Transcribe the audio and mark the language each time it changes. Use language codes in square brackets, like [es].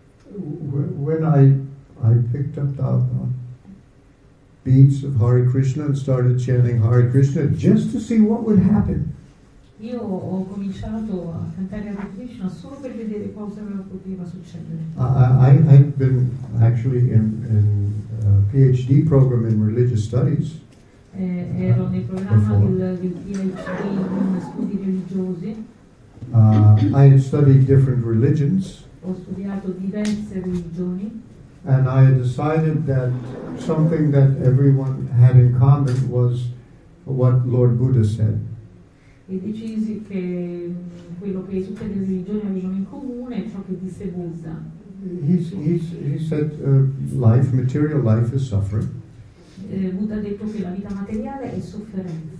[en] When I picked up the beads of Hare Krishna and started chanting Hare Krishna just to see what would happen. [it] Io ho cominciato a cantare Hare Krishna solo per vedere cosa poteva succedere. [en] I've been actually in a PhD program in religious studies. [it] Ero nel programma del PhD in studi religiosi. [en] I studied different religions. [it] Ho studiato diverse religioni. [en] And I decided that something that everyone had in common was what Lord Buddha said. [it] E decisi che quello che tutte le religioni avevano in comune è ciò che disse Buddha. [en] He said, life, material life is suffering. [it] Buddha ha detto che la vita materiale è sofferenza.